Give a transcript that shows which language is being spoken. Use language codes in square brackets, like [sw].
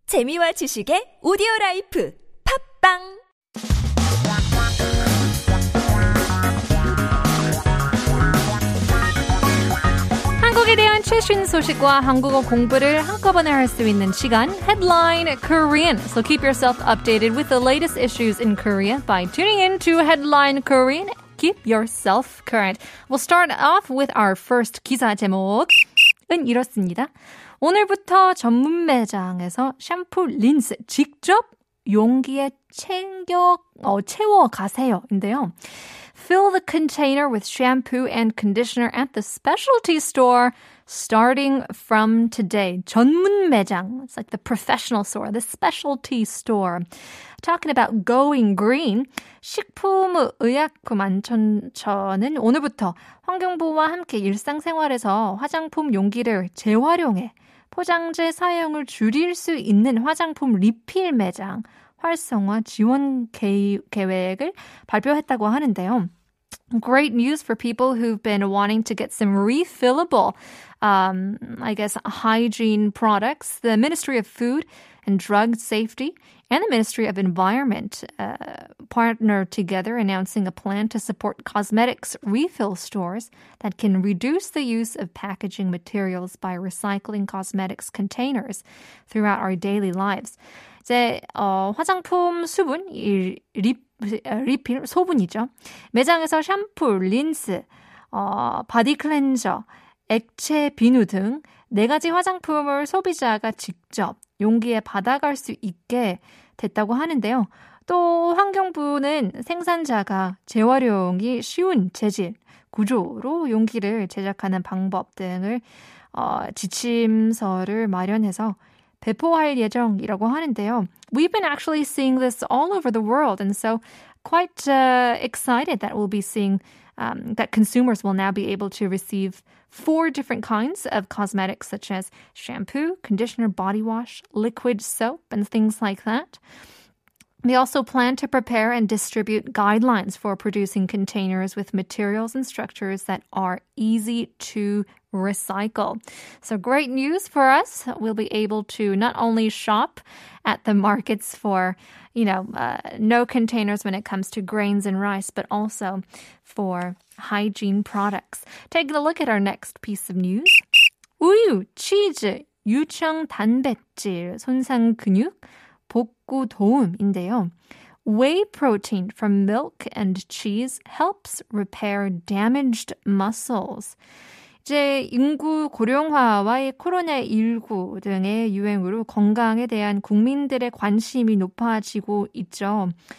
[ko] 재미와 지식의 오디오 라이프. 팟빵! 한국에 대한 최신 소식과 한국어 공부를 한꺼번에 할 수 있는 시간, Headline Korean. [en] So keep yourself updated with the latest issues in Korea by tuning in to Headline Korean. Keep yourself current. We'll start off with our first [ko] 기사 제목은 이렇습니다. 오늘부터 전문 매장에서 샴푸, 린스 직접 용기에 챙겨 채워 가세요. 인데요. [en] Fill the container with shampoo and conditioner at the specialty store starting from today. [ko] 전문 매장. [en] It's like the professional store, the specialty store. Talking about going green, [ko] 식품의약품안전처는 오늘부터 환경부와 함께 일상생활에서 화장품 용기를 재활용해 포장재 사용을 줄일 수 있는 화장품 리필 매장 활성화 지원 계획을 발표했다고 하는데요. [en] Great news for people who've been wanting to get some refillable, hygiene products. The Ministry of Food and Drug Safety and the Ministry of Environment partner together announcing a plan to support cosmetics refill stores that can reduce the use of packaging materials by recycling cosmetics containers throughout our daily lives. [ko] 이제 화장품 수분, 리필, 소분이죠. 매장에서 샴푸, 린스, 바디 클렌저, 액체 비누 등 네 가지 화장품을 소비자가 직접 용기에 받아갈 수 있게 됐다고 하는데요. 또 환경부는 생산자가 재활용이 쉬운 재질, 구조로 용기를 제작하는 방법 등을 지침서를 마련해서 배포할 예정이라고 하는데요. [en] We've been actually seeing this all over the world, and so quite excited that we'll be seeing that consumers will now be able to receive four different kinds of cosmetics, such as shampoo, conditioner, body wash, liquid soap, and things like that. They also plan to prepare and distribute guidelines for producing containers with materials and structures that are easy to recycle. So great news for us. We'll be able to not only shop at the markets for, you know, no containers when it comes to grains and rice, but also for hygiene products. Take a look at our next piece of news. [ko] 우유, 치즈, 유청 단백질, 손상 근육, 복구 도움인데요. [en] Whey protein from milk and cheese helps repair damaged muscles. [ko] 이제 인구 고령화와의 코로나19 등의 유행으로 건강에 대한 국민들의 관심이 높아지고 있죠.